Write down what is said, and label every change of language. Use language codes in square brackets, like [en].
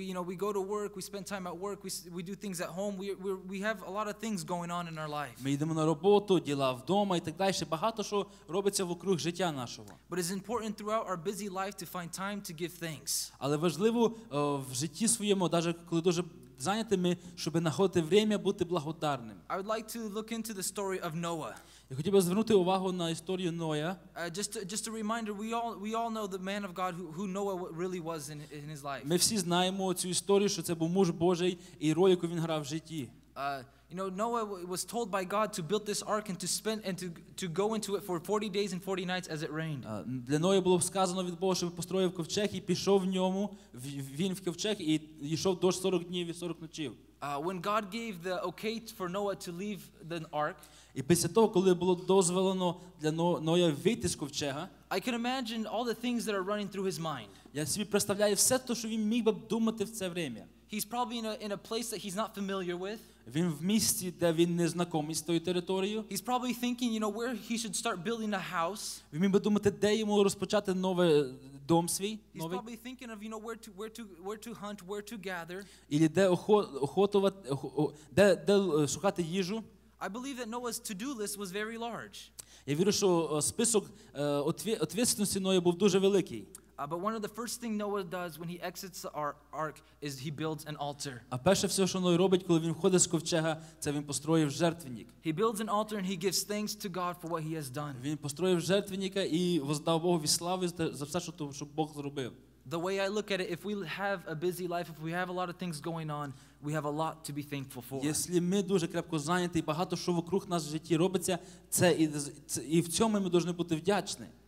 [en] We go to work, we spend time at work, we do things at home, we have a lot of things going on in our life. [uk] Ми йдемо на роботу, діла вдома і так далі, багато що робиться вокруг життя нашого. [en] But it's important throughout our busy life to find time to give thanks. [uk] Але важливо в житті своєму, навіть коли дуже зайнятими, щоб знаходити время бути благодарним. [en] I would like to look into the story of Noah. [uk] Я хотів би звернути увагу на історію Ноя. [en] Just a reminder, we all know the man of God who Noah really was in his life. [uk] Ми всі знаємо цю історію, що це був муж Божий і роль, яку він грав в житті. [en] You know, Noah was told by God to build this ark and to go into it for 40 days and 40 nights as it rained. [uk] Для Ноя було сказано від Бога, щоб построїв ковчег і пішов в ньому, він в ковчег і йшов дощ 40 днів і 40 ночів. [en] When God gave the okay for Noah to leave the ark, [uk] і після того, коли було дозволено для Ноя вийти з ковчега, [en] I can imagine all the things that are running through his mind. [uk] Я собі представляю все те, що він міг би думати в це время. [en] He's probably in a place that he's not familiar with. [uk] Він в місті, де він не знайомий з тою територією. [en] He's probably thinking, you know, where he should start building a house. [uk] Він міг би думати, де йому розпочати новий дом свій. [en] He's probably thinking of, you know, where to hunt, where to gather. [uk] Ілі де охотувати, де шукати їжу. [en] I believe that Noah's to-do list was very large. [uk] Я вірю, що список відповідальності Ноя був дуже великий. [en] But one of the first things Noah does when he exits the ark is he builds an altar. [uk] А перше все, що Ной робить, коли він входить з ковчега, це він построїв жертвенник. [en] He builds an altar and he gives thanks to God for what he has done. [uk] Він построїв жертвенника і воздав Богу славу за все, що Бог зробив. [en] The way I look at it, if we have a busy life, if we have a lot of things going on, we have a lot to be thankful for. [uk] Якщо ми дуже крепко зайняті і багато що вокруг нас в житті робиться, це і в цьому ми повинні бути вдячні.